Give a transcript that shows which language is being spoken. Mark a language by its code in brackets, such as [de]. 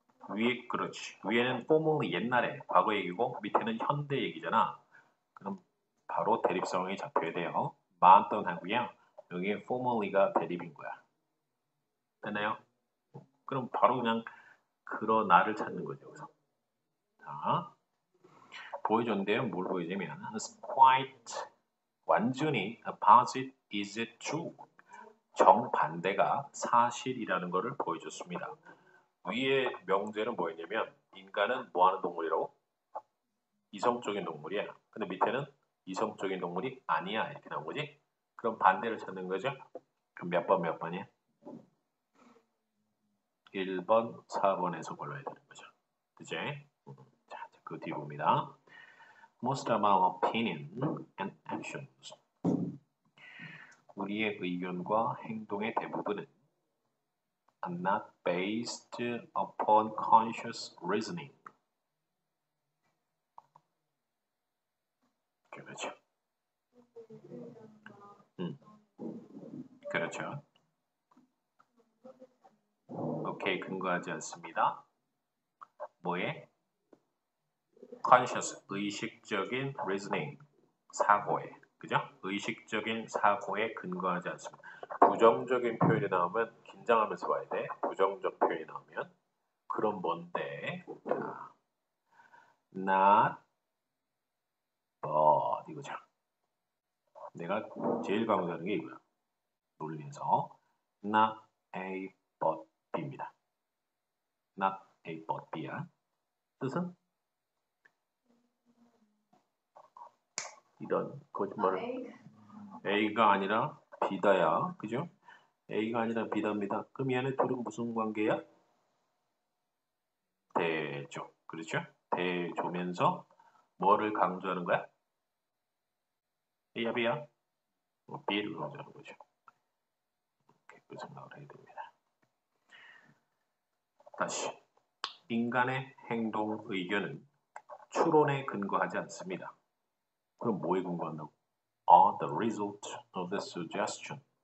[ko] 위에 그렇지. 위에는 formerly 옛날에 과거 얘기고 밑에는 현대 얘기잖아. 그럼 바로 대립 상황이 잡혀야 돼요. 많던 하고요. 여기에 formerly가 대립인 거야. 됐나요? 그럼 바로 그냥 그러 나를 찾는 거죠. 여기서. 자, 보여줬는데요. [en] 뭘 보여주냐면 quite 완전히 opposite is it true? [ko] 정반대가 사실이라는 거를 보여줬습니다. 위의 명제는 뭐였냐면 인간은 뭐 하는 동물이라고? 이성적인 동물이야. 근데 밑에는 이성적인 동물이 아니야 이렇게 나온 거지? 그럼 반대를 찾는 거죠? 그럼 몇 번이야? 1번, 4번에서 골라야 되는 거죠. 그지? 자, 그 뒤에 봅니다. [en] Most of our opinion and actions. 우리의 의견과 행동의 대부분은 are not based upon conscious reasoning. [ko] 그렇죠. 오케이, 근거하지 않습니다. 뭐에? conscious, 의식적인 reasoning, 사고에. 그죠? 의식적인 사고에 근거하지 않습니다. 부정적인 표현이 나오면 긴장하면서 봐야 돼. 부정적 표현이 나오면 그럼 뭔데? not but 이거죠. 내가 제일 강조하는 게 이거야. 논리에서 not a but b 입니다. not a but b 야. 뜻은? 이런 거짓말을 A가 아니라 B다야, 그죠? A가 아니라 B답니다. 그럼 이 안에 둘은 무슨 관계야? 대조, 그렇죠? 대조면서 뭐를 강조하는 거야? A야, B야? B를 강조하는 거죠. 그 생각을 해야 됩니다. 다시, 인간의 행동 의견은 추론에 근거하지 않습니다. 그럼 뭐에 근거한다고? [en] Are the result of the suggestion.